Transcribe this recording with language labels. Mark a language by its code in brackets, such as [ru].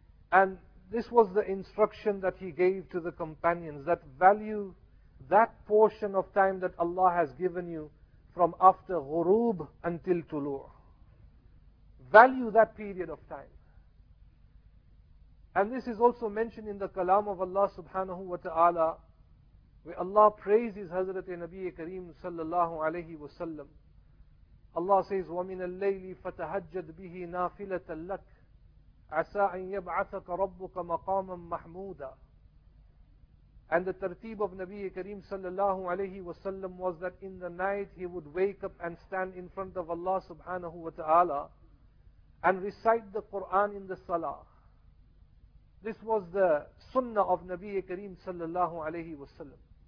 [en] And this was the instruction that he gave to the companions, that value that portion of time that Allah has given you from after ghurub until tulu'. Value that period of time. And this is also mentioned in the kalam of Allah subhanahu wa ta'ala, where Allah praises Hazrat Nabi Kareem sallallahu alayhi wa sallam. Allah says, [ar] وَمِنَ اللَّيْلِ فَتَهَجَّدْ بِهِ نَافِلَةً لَكْ عَسَىٰ أَنْ يَبْعَثَكَ رَبُّكَ مَقَامًا مَحْمُودًا. [en] And the tarteeb of Nabi Kareem sallallahu alayhi wa sallam was that in the night he would wake up and stand in front of Allah subhanahu wa ta'ala and recite the Quran in the salah. This was the sunnah of Nabi Kareem sallallahu alayhi wa sallam.